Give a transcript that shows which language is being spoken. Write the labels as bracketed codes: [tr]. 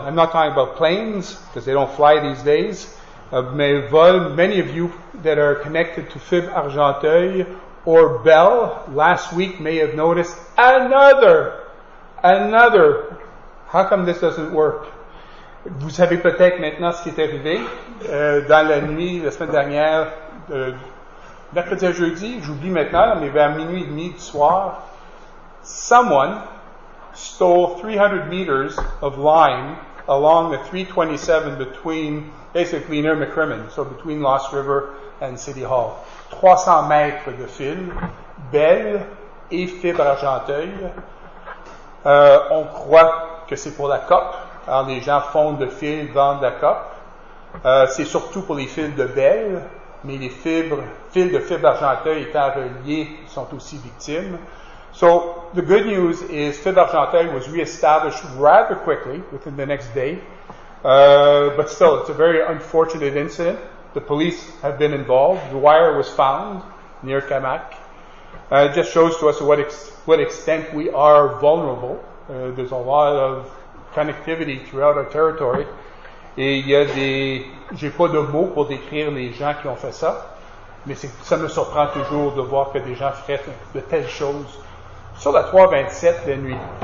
[en] I'm not talking about planes, because they don't fly these days. [fr] Mais vol, [en] many of you that are connected to Fib Argenteuil or Bell last week may have noticed another. How come this doesn't work? [fr] Vous savez peut-être maintenant ce qui est arrivé. Dans la nuit, la semaine dernière, mercredi à jeudi, j'oublie maintenant, mais vers minuit et demi du soir, [en] someone stole 300 meters of line along the 327 between, basically near McCrimmon, so between Lost River and City Hall. [fr] 300 mètres de fil, Belle et Fibre Argenteuil. On croit que c'est pour la COP. Alors, les gens font de fil, vendent la COP. C'est surtout pour les fils de Belle, mais les fils de Fibre Argenteuil étant reliés sont aussi victimes. [en] So, the good news is Fibre Argenteuil was reestablished rather quickly, within the next day. But still, it's a very unfortunate incident. The police have been involved. The wire was found near Camac. It just shows to us what extent we are vulnerable. There's a lot of connectivity throughout our territory. [fr] Et il y a des... J'ai pas de mots pour décrire les gens qui ont fait ça, mais c'est, ça me surprend toujours de voir que des gens feraient de telles choses sur la 327 de nuit.